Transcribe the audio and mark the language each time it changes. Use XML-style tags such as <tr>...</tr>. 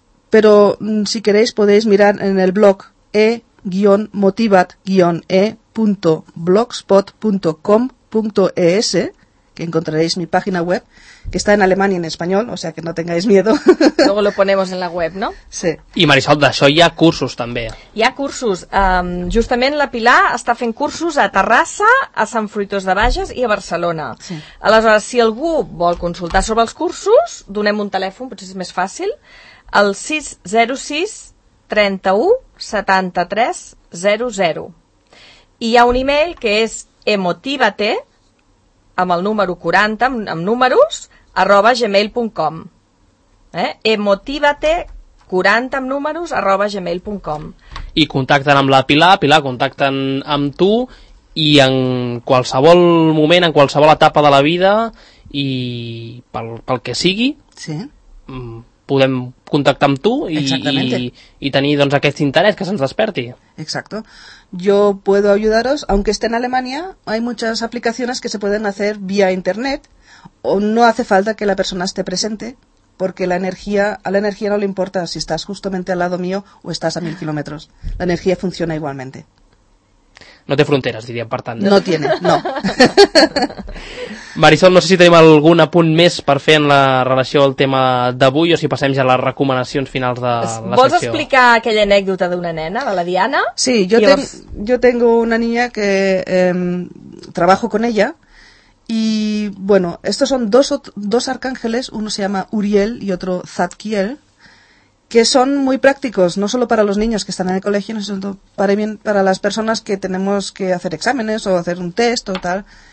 <es>Pero si queréis podéis mirar en el blog e-motivat-e.blogspot.com.es, que encontraréis mi página web, que está en alemán y en español, o sea que no tengáis miedo. Luego lo ponemos en la web, ¿no? Sí.</es> <ca>I Marisol, d'això hi ha cursos també. Hi ha cursos. Justament la Pilar està fent cursos a Terrassa, a Sant Fruitós de Bages i a Barcelona. Sí. Aleshores, si algú vol consultar sobre els cursos, donem un telèfon, potser és més fàcil, al 606-31-73-00. I hi ha un email que és emotivate, amb el número 40, amb números, @gmail.com. Emotivate, 40 amb números, @gmail.com. I contacten amb la Pilar, Pilar, contacten amb tu, i en qualsevol moment, en qualsevol etapa de la vida, i pel que sigui, sí, podem contactar amb tu i tenir doncs, aquest interès que se'ns desperti.</ca> <es>Exacto. Yo puedo ayudaros, aunque esté en Alemania, hay muchas aplicaciones que se pueden hacer vía internet, o no hace falta que la persona esté presente, porque la energía, a la energía no le importa si estás justamente al lado mío o estás a 1000 kilómetros. La energía funciona igualmente.</es> <ca>No té fronteres, diria, per tant.</ca> <es>No tiene, no.</es> <ca>Marisol, no sé si tenim algun apunt més per fer en la relació al tema d'avui o si passem ja a les recomanacions finals de la secció. Vols explicar aquella anècdota d'una nena, de la Diana?</ca> <es>Sí, yo tengo una niña que trabajo con ella y, bueno, estos son dos arcángeles, uno se llama Uriel y otro Zadkiel, que son muy prácticos, no solo para los niños que están en el colegio, sino para las personas que tenemos que hacer exámenes o hacer un test o tal.</es>